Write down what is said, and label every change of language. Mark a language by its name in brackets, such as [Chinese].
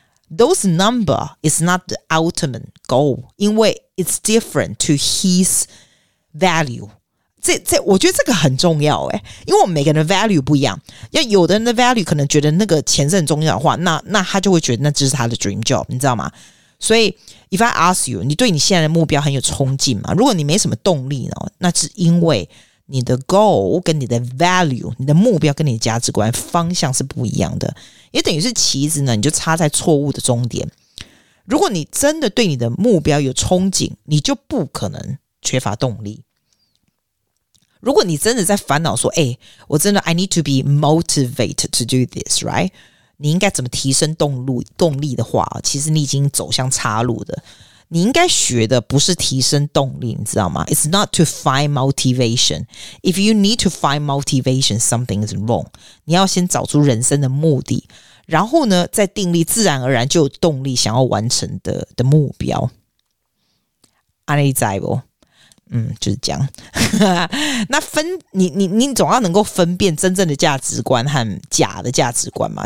[English] Those number is not the ultimate goal， [Chinese] 因为 [English] it's different to his value。 [Chinese] 这我觉得这个很重要欸，因为我们每个人的 value 不一样。要有的人的 value 可能觉得那个钱是很重要的话，那他就会觉得那只是他的 dream job， 你知道吗？所以 [English] if I ask you， [Chinese] 你对你现在的目标很有冲劲吗？如果你没什么动力呢，那是因为你的 goal 跟你的 value， 你的目标跟你的价值观方向是不一样的，也等于是旗子呢你就插在错误的终点。如果你真的对你的目标有憧憬，你就不可能缺乏动力。如果你真的在烦恼说，欸，我真的 [English] I need to be motivated to do this, right? [Chinese] 你应该怎么提升动力的话，其实你已经走向岔路的。你应该学的不是提升动力，你知道吗？ [English] It's not to find motivation. If you need to find motivation, something is wrong. [Chinese] 你要先找出人生的目的，然后呢，再定立自然而然就有动力想要完成 的目标。安利在不？就是这样。那分你总要能够分辨真正的价值观和假的价值观嘛。